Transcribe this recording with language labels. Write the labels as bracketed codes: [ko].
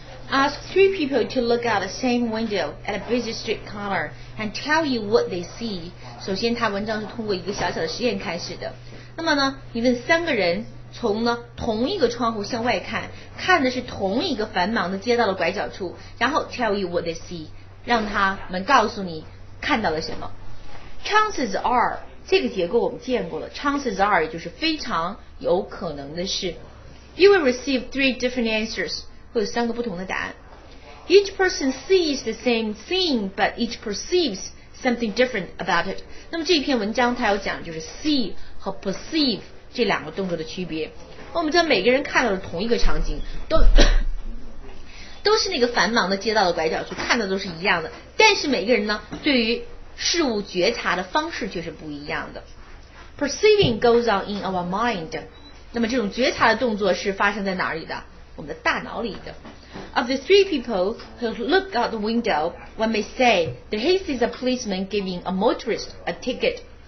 [en] Ask three people to look out the same window at a busy street corner and tell you what they see. [zh] 首先，他文章是通过一个小小的实验开始的。那么呢，你问三个人从呢同一个窗户向外看，看的是同一个繁忙的街道的拐角处，然后 [en] tell you what they see， [zh] 让他们告诉你看到了什么。 [en] Chances are [zh] 这个结构我们见过了 ， [en] chances are [zh] 也就是非常有可能的是 ， [en] you will receive three different answers。 [zh] 会有三个不同的答案。 [en] Each person sees the same thing, but each perceives something different about it. [zh] 那么这篇文章它要讲就是 see 和 perceive 这两个动作的区别。我们知道每个人看到的同一个场景，都是那个繁忙的街道的拐角处，看的都是一样的。但是每个人呢，对于事物觉察的方式却是不一样的。 [en] Perceiving goes on in our mind. [zh] 那么这种觉察的动作是发生在哪里的？我们的大脑里的。 [en] Of the three people who look out the window, one may say that he sees a policeman giving a motorist a ticket.